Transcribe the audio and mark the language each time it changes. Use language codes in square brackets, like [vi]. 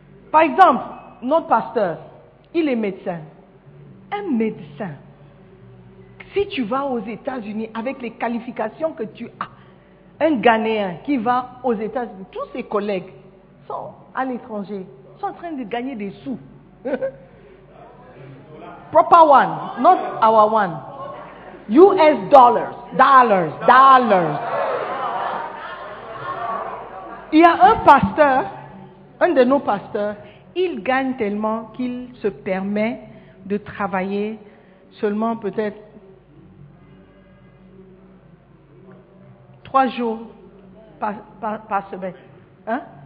[fr] Par exemple, notre pasteur, il est médecin. Un médecin, si tu vas aux États-Unis avec les qualifications que tu as, un Ghanéen qui va aux États-Unis, tous ses collègues sont à l'étranger, sont en train de gagner des sous. [en] Proper one, not our one. US dollars, dollars, dollars. [fr] Il y a un pasteur, un de nos pasteurs, il gagne tellement qu'il se permet de travailler seulement peut-être 3 jours par semaine. Hein?